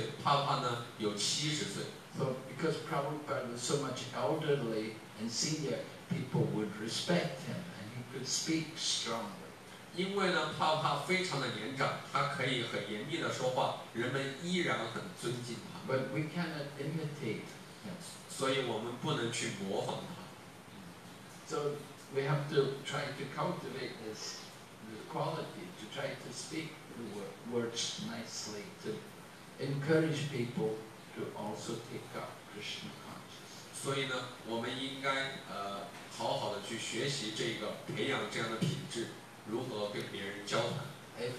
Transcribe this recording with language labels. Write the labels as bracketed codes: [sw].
[zh] 在那个时候呢，我们这些年轻的人大概才二十岁，帕帕呢有七十岁。 [en] So because Prabhupada was so much elderly and senior, people would respect him and he could speak strongly. [zh] 因为呢，帕帕非常的年长，他可以很严厉的说话，人们依然很尊敬他。 [en] But we cannot imitate him. [zh] 所以我们不能去模仿他。 [en] So we have to try to cultivate this. Quality to try to speak the words nicely to encourage people to also take up Krishna consciousness. [zh] 所以呢，我们应该好好的去学习这个培养这样的品质，如何跟别人交谈。 [en] If